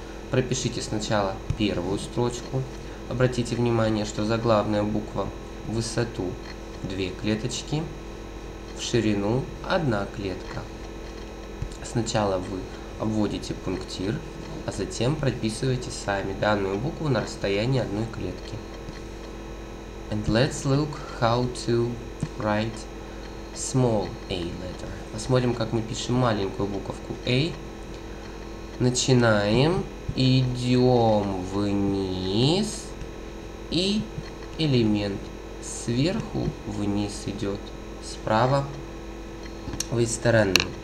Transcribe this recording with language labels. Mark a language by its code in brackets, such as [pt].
[ru] Пропишите сначала первую строчку. Обратите внимание, что заглавная буква в высоту две клеточки, в ширину одна клетка. Сначала вы обводите пунктир, а затем прописываете сами данную букву на расстоянии одной клетки. [en] And let's look how to write small a letter. [ru] Посмотрим, как мы пишем маленькую буковку A. Начинаем, идем вниз, и элемент сверху вниз идет с правой стороны.